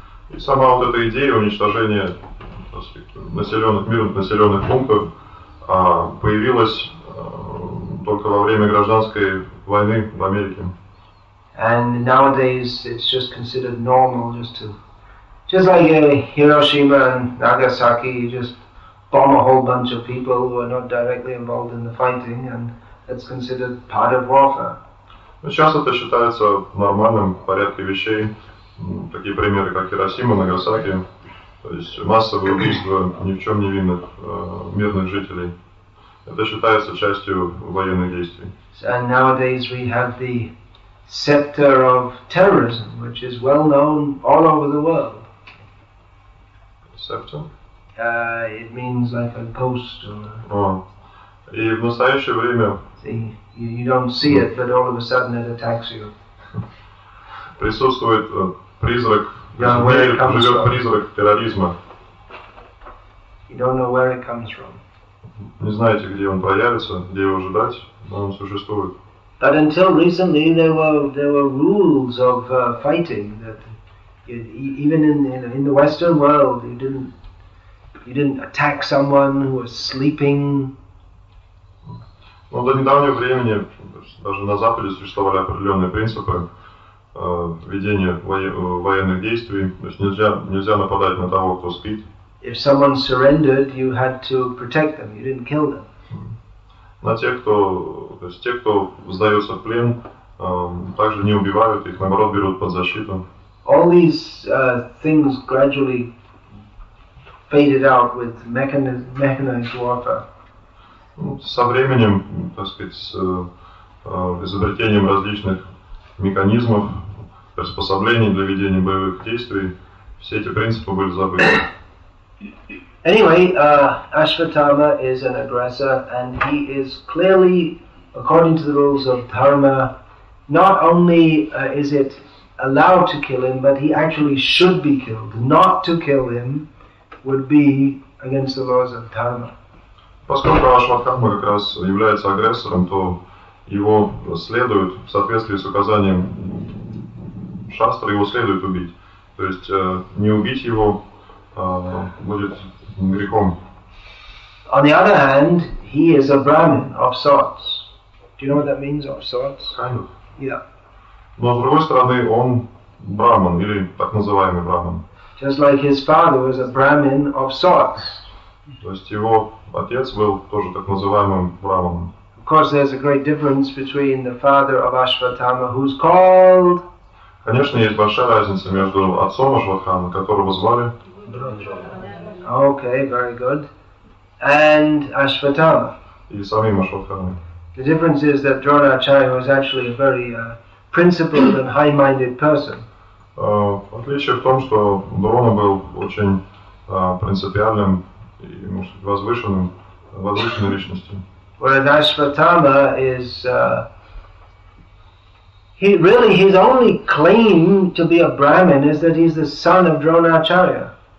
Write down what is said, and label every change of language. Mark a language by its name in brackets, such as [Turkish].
[Russian] И сама вот эта идея уничтожения, так сказать, мирных населенных пунктов появилась только во время гражданской войны в Америке. [English] And nowadays it's just considered normal just like Hiroshima and Nagasaki, you just bomb a whole bunch of people who are not directly involved in the fighting, and it's considered part of warfare. [Russian] Сейчас это считается нормальным порядком вещей. Такие примеры, как Хиросима, Нагасаки, то есть массовые убийства ни в чем невинных мирных жителей. Это считается частью военных действий. [English] And nowadays we have the scepter of terrorism, which is well known all over the world. Scepter? It means like a ghost or. [Russian] И в настоящее время. [English] You don't see it, but all of a sudden it attacks you. [Russian] Присутствует призрак. Живет призрак терроризма. [English] You don't know where it comes from. [Russian] Не знаете, где он появится, где его ждать, но он существует. [English] But until recently, there were rules of fighting that even in the Western world, you didn't attack someone who was sleeping. [Russian] Ну, до недавнего времени даже на Западе существовали определенные принципы ведения военных действий. То есть нельзя нападать на того, кто спит. [English] If someone surrendered, you had to protect them. You didn't kill them. [Russian] На тех, кто, то есть те, кто сдается в плен, также не убивают их, наоборот, берут под защиту. [English] All these things gradually faded out with mechanized warfare. [Russian] Со временем, так сказать, с изобретением различных механизмов, приспособлений для ведения боевых действий, все эти принципы были забыты. [English] Anyway, Ashwatthama is an aggressor, and he is clearly, according to the rules of Dharma, not only is it allowed to kill him, but he actually should be killed. Not to kill him would be against the laws of Dharma. [Russian] Поскольку Ашватхама как раз является агрессором, то его следует, в соответствии с указанием шастры, его следует убить. То есть не убить его будет грехом. [English] On the other hand, he is a Brahmin of sorts. Do you know what that means, of sorts? Kind of. Yeah. [Russian] Но с другой стороны, он Брахман, или так называемый Брахман. [English] Just like his father was a Brahmin of sorts. [Russian] То есть его отец был тоже так называемым Брахманом. [English] Of course, there's a great difference between the father of Ashvatthama, who's called... [Russian] Конечно, есть большая разница между отцом Ашватхамы, которого звали... [English] Okay, very good. And Ashvatthama. [Russian] И самим Ашватхамой. [English] The difference is that Дронача was actually a very principled and high-minded person. [Russian] Отличие в том, что Дрона был очень принципиальным и, может быть, возвышенной личностью. [English] Whereas Ashvatthama is his only claim to be a Brahmin is that he's the son of Dronacharya.